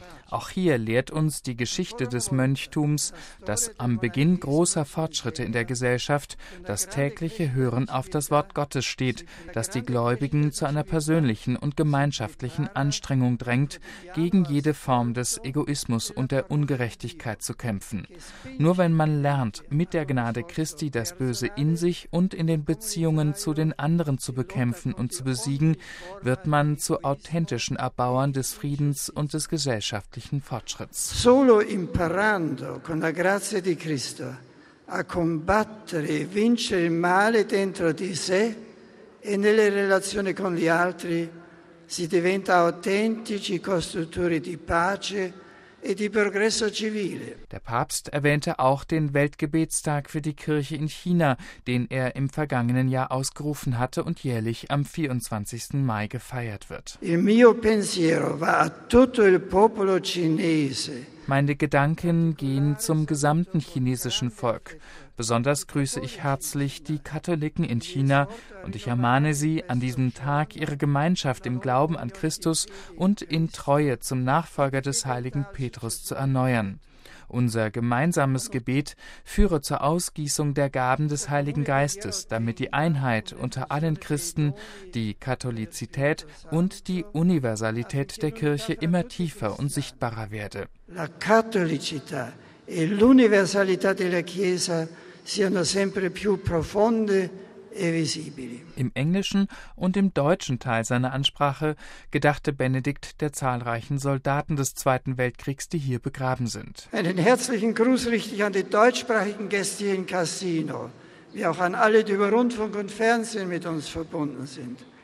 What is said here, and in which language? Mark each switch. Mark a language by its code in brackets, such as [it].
[de] Auch hier lehrt uns die Geschichte des Mönchtums, dass am Beginn großer Fortschritte in der Gesellschaft das tägliche Hören auf das Wort Gottes steht, das die Gläubigen zu einer persönlichen und gemeinschaftlichen Anstrengung drängt, gegen jede Form des Egoismus und der Ungerechtigkeit zu kämpfen. Nur wenn man lernt, mit der Gnade Christi das Böse in sich und in den Beziehungen zu den anderen zu bekämpfen und zu besiegen, wird man zu authentischen Erbauern des Friedens und des Gesellschafts. [it] Solo imparando con la grazia di Cristo a combattere e vincere il male dentro di sé e nelle relazioni con gli altri si diventa autentici costruttori di pace. [de] Der Papst erwähnte auch den Weltgebetstag für die Kirche in China, den er im vergangenen Jahr ausgerufen hatte und jährlich am 24. Mai gefeiert wird. [it] Il mio pensiero va a tutto il popolo cinese. [de] Meine Gedanken gehen zum gesamten chinesischen Volk. Besonders grüße ich herzlich die Katholiken in China und ich ermahne sie, an diesem Tag ihre Gemeinschaft im Glauben an Christus und in Treue zum Nachfolger des heiligen Petrus zu erneuern. Unser gemeinsames Gebet führe zur Ausgießung der Gaben des Heiligen Geistes, damit die Einheit unter allen Christen, die Katholizität und die Universalität der Kirche immer tiefer und sichtbarer werde. [it] La Cattolicità e l'Universalità della Chiesa siano sempre più profonde. [de] Im Englischen und im deutschen Teil seiner Ansprache gedachte Benedikt der zahlreichen Soldaten des Zweiten Weltkriegs, die hier begraben sind. Einen herzlichen Gruß richte ich an die deutschsprachigen Gäste hier in Cassino, wie auch an alle, die über Rundfunk und Fernsehen mit uns verbunden sind.